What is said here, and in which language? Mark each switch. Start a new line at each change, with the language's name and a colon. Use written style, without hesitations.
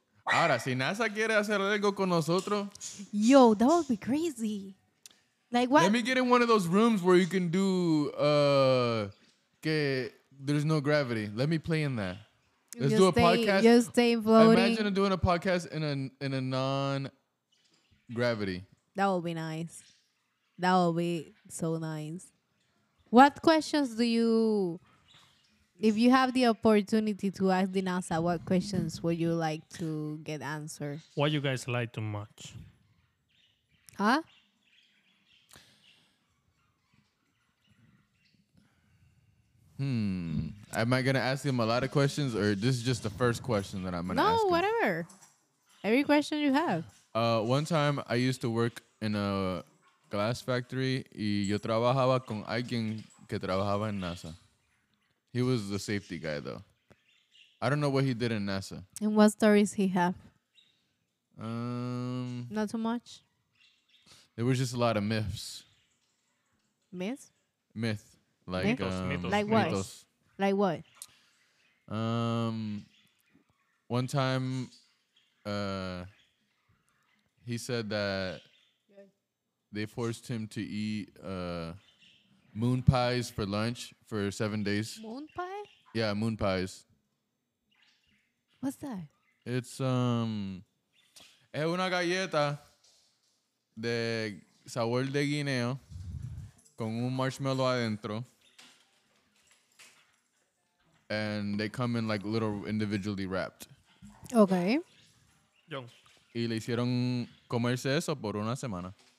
Spanish: Ahora, si NASA quiere hacer algo con nosotros.
English: Yo, that would be crazy. Like what? Let me get in one of those rooms where you can do que there's no gravity. Let me play in that. Let's just do a podcast. Just stay floating. Imagine doing a podcast in a non-gravity. That would be nice. That would be so nice. What questions do you, if you have the opportunity to ask the NASA, what questions would you like to get answered? Why you guys lie too much? Huh? Am I going to ask him a lot of questions, or this is just the first question that I'm going to ask him? No, whatever. Every question you have. One time, I used to work in a glass factory,
Spanish: y yo trabajaba con alguien que trabajaba en NASA.
English: He was the safety guy, though. I don't know what he did in NASA. And what stories he have? Not too much? There was just a lot of myths. Myths? Myth. Like, mythos. Like what? One time, he said that they forced him to eat moon pies for lunch for 7 days. Moon pie? Yeah, moon pies. What's that? It's
Spanish: es una galleta de sabor de guineo con un marshmallow adentro.
English: And they come in like little individually wrapped. Okay. Yo.
Spanish: Y le hicieron comerse eso por una semana.